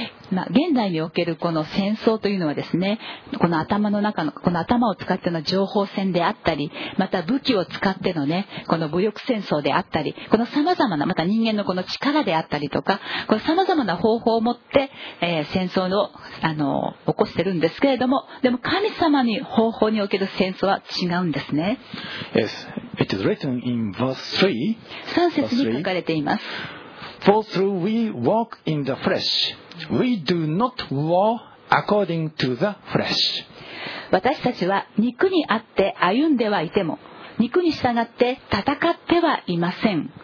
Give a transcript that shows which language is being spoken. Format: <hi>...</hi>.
<ja>まあ現代におけるこの戦争というのはですね、この頭の中のこの頭を使っての情報戦であったり、また武器を使ってのね、この武力戦争であったり、このさまざまな、また人間のこの力であったりとか、このさまざまな方法を持って、戦争を起こしてるんですけれども、でも神様に方法における戦争は違うんですね。</ja> <en>Yes, it is written in verse 3.</en> <ja>三節に書かれています。</ja> <en>For through we walk in the flesh, we do not war according to the flesh.</en> <ja>私たちは肉にあって歩んではいても、肉に従って戦ってはいません。</ja>